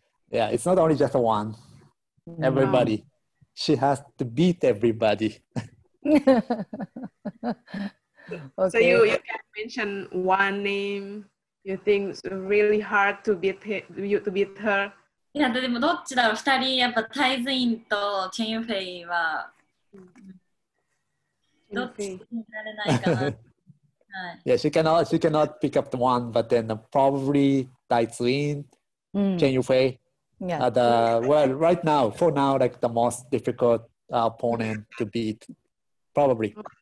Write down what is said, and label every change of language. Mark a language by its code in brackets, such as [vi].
[en] Yeah, it's not only just one. Everybody. She has to beat everybody. Okay. So you can mention one name you think it's really hard to beat her. [ja] いやでもどっちだろう、2人やっぱタイズインとチェンユフェイはどっちになれないかな。はい。 [en] Yeah, she cannot pick up the one, but then probably タイズイン、チェンユフェイ。 Yeah. And, well, right now, for now, like the most difficult opponent to beat, probably.